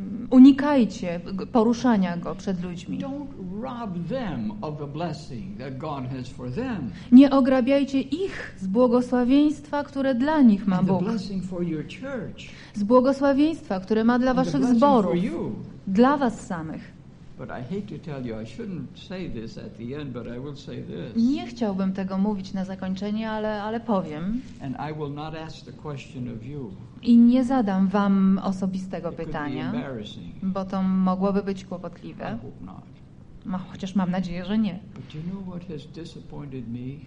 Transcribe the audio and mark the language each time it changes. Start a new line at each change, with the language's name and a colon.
Polish: Unikajcie poruszania go przed ludźmi.
English: Don't rob them of the blessing that God has for them.
Polish: Nie ograbiajcie ich z błogosławieństwa, które dla nich ma Bóg.
English: And the blessing for your church.
Polish: Z błogosławieństwa, które ma dla waszych zborów.
English: For you.
Polish: Dla was samych.
English: But I hate to tell you, I shouldn't say this at the end, but I will say this.
Polish: Nie chciałbym tego mówić na zakończenie, ale powiem.
English: And I will not ask the question of you.
Polish: I nie zadam wam osobistego pytania, bo to mogłoby być kłopotliwe.
English: I hope not.
Polish: Chociaż mam nadzieję, że nie.
English: But you know what has disappointed me?